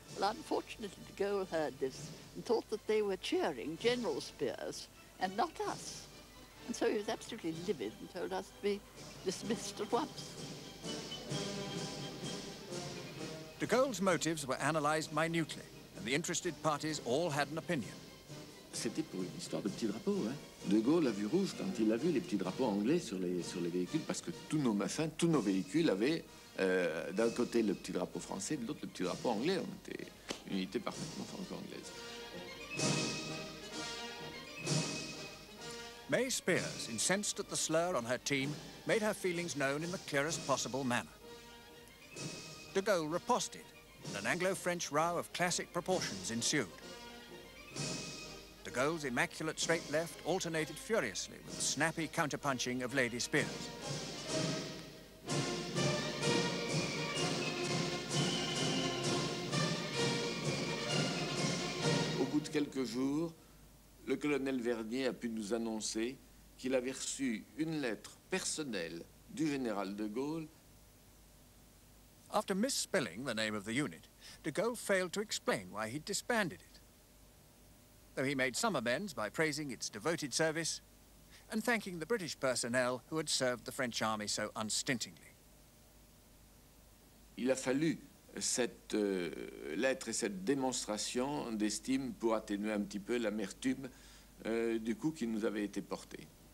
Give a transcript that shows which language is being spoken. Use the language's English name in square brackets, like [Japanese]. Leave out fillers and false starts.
[English] Well, unfortunately, de Gaulle heard this and thought that they were cheering General Spears and not us. And so he was absolutely livid and told us to be dismissed at once. De Gaulle's motives were analyzed minutely, and the interested parties all had an opinion. [French] C'était pour une histoire de petits drapeaux, hein? De Gaulle a vu rouge quand il a vu les petits drapeaux anglais sur les véhicules, parce que tous nos machins, tous nos véhicules avaient d'un côté le petit drapeau français, de l'autre le petit drapeau anglais. On était une unité parfaitement franco-anglaise. [English] May Spears, incensed at the slur on her team, made her feelings known in the clearest possible manner. De Gaulle riposted, and an Anglo-French row of classic proportions ensued. De Gaulle's immaculate straight left alternated furiously with the snappy counterpunching of Lady Spears. [French] Au bout de quelques jours, le colonel Vernier a pu nous annoncer qu'il avait reçu une lettre personnelle du général de Gaulle. [English] After misspelling the name of the unit, de Gaulle failed to explain why he'd disbanded it. Though he made some amends by praising its devoted service and thanking the British personnel who had served the French army so unstintingly. [French] Il a fallu cette lettre et cette démonstration d'estime pour atténuer un petit peu l'amertume du coup qui nous avait été porté.